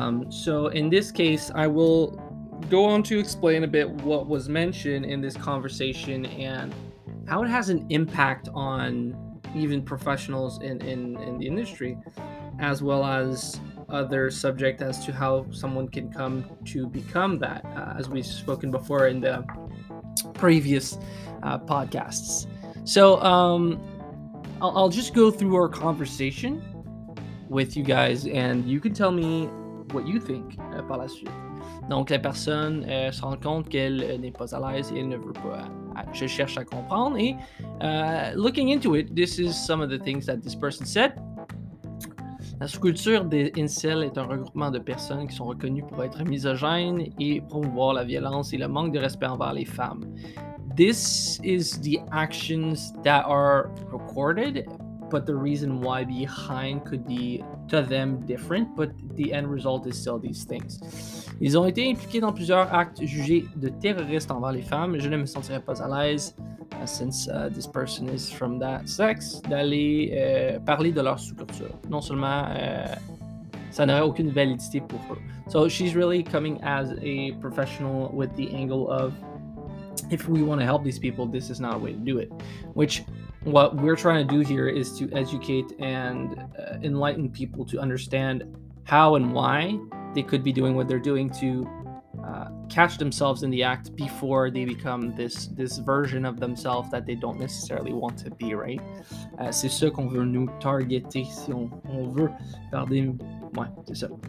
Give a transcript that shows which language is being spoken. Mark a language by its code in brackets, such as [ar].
[en] So in this case, I will go on to explain a bit what was mentioned in this conversation and how it has an impact on even professionals in the industry, as well as other subject as to how someone can come to become that, as we've spoken before in the previous podcasts. So I'll just go through our conversation with you guys, and you can tell me what you think [fr] par la suite. Donc, la personne se rend compte qu'elle n'est pas à l'aise et elle ne veut pas. Je cherche à comprendre et [en] looking into it, this is some of the things that this person said. [fr] La sous-culture des incels est un regroupement de personnes qui sont reconnues pour être misogynes et promouvoir la violence et le manque de respect envers les femmes. [en] This is the actions that are recorded, but the reason why behind could be to them different, but the end result is still these things. [fr] Ils ont été impliqués dans plusieurs actes jugés de terroristes envers les femmes. Je ne me sentirais pas à l'aise, [en] since this person is from that sex, [fr] d'aller parler de leur sous-culture. Non seulement, ça n'aurait aucune validité pour eux. [en] So she's really coming as a professional with the angle of, if we want to help these people, this is not a way to do it. Which, what we're trying to do here is to educate and enlighten people to understand how and why they could be doing what they're doing to catch themselves in the act before they become this version of themselves that they don't necessarily want to be, right? [fr] C'est ça qu'on veut nous targeter si on veut garder... Ouais, c'est ça.